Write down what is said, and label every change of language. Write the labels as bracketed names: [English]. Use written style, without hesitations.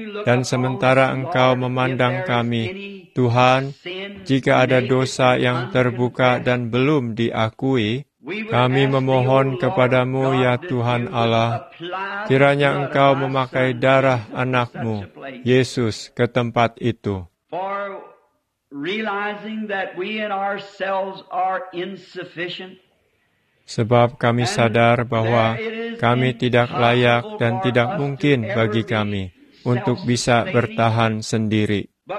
[Indonesian] Dan sementara Engkau memandang kami, Tuhan, jika ada dosa yang terbuka dan belum diakui, kami memohon kepada-Mu, ya Tuhan Allah, kiranya Engkau memakai darah anak-Mu, Yesus, ke tempat itu. [English] Realizing that we in ourselves are insufficient. [Indonesian] Sebab kami sadar bahwa kami tidak layak dan tidak mungkin bagi kami untuk bisa bertahan sendiri.